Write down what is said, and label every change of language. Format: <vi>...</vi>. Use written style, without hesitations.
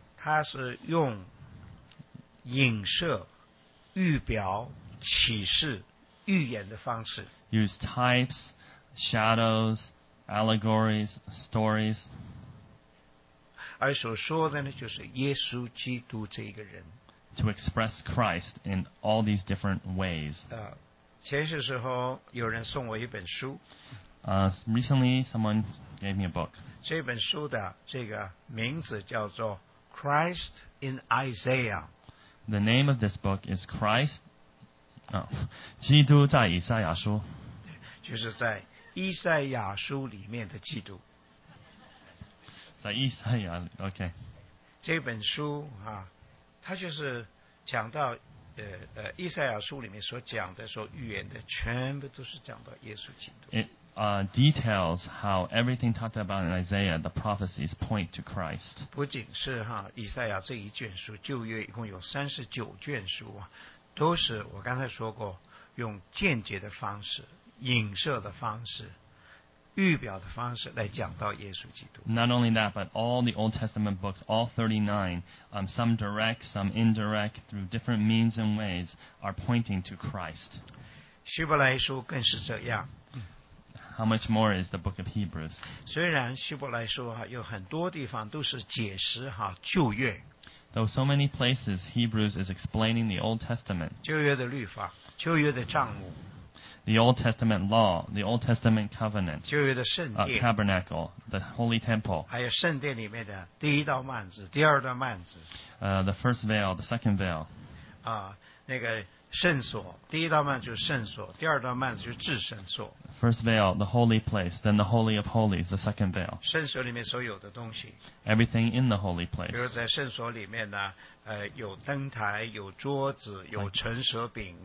<zh>它是用影射、预表、启示、预言的方式。</zh> <en>Use types, shadows, allegories, stories.</en> <zh>而所说的呢，就是耶稣基督这一个人。</zh> <en>To express Christ in all these different ways.</en> <zh>前些时候有人送我一本书。</zh> <en>Recently, someone gave me a book.</en> <zh>这本书的这个名字叫做 Christ in Isaiah.</zh> <en>The name of this book is Christ,</en> <zh>基督在以赛亚书。就是在以赛亚书里面的基督。在以赛亚 ,OK. 这本书啊，它就是讲到以赛亚书里面所讲的所预言的全部都是讲到耶稣基督。</zh> <en>Details how everything talked about in Isaiah, the prophecies point to Christ.</en> <zh>不仅是哈，以赛亚这一卷书，旧约一共有39卷书啊，都是我刚才说过，用间接的方式、影射的方式、预表的方式来讲到耶稣基督。</zh> <en>Not only that, but all the Old Testament books, all 39, some direct, some indirect, through different means and ways, are pointing to Christ.</en> <zh>希伯来书更是这样。</zh> <en>How much more is the book of Hebrews?</en> <zh>虽然希伯来书哈有很多地方都是解释哈旧约。</zh> <en>Though so many places Hebrews is explaining the Old Testament.</en> <zh>旧约的律法，旧约的帐幕。</zh> <en>The Old Testament law, the Old Testament covenant.</en> <zh>旧约的圣殿。</zh> <en>Tabernacle, the holy temple.</en> <zh>还有圣殿里面的第一道幔子，第二道幔子。</zh> <en>The first veil, the second veil.</en> <zh>那个圣所，第一道幔子就是圣所，第二道幔子就是至圣所。</zh> <en>First veil, the holy place, then the holy of holies, the second veil.</en> <zh>圣所里面所有的东西。</zh> <en>Everything in the holy place.</en> <zh>比如在圣所里面呢，有灯台，有桌子，有陈设饼。</zh>